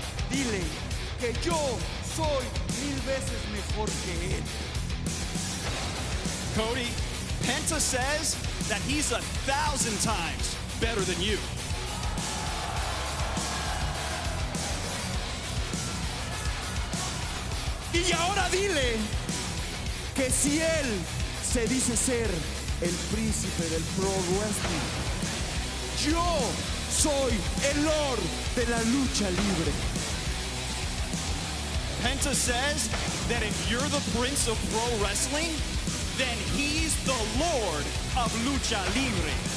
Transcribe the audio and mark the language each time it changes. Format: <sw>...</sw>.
<es>Dile que yo soy mil veces mejor que él.</es> <en>Cody, Penta says that he's 1,000 times better than you.</en> <es>Y ahora dile que si él se dice ser el príncipe del pro wrestling, yo soy el lord de la lucha libre.</es> <en>Penta says that if you're the prince of pro wrestling, then he's the lord of lucha libre.</en>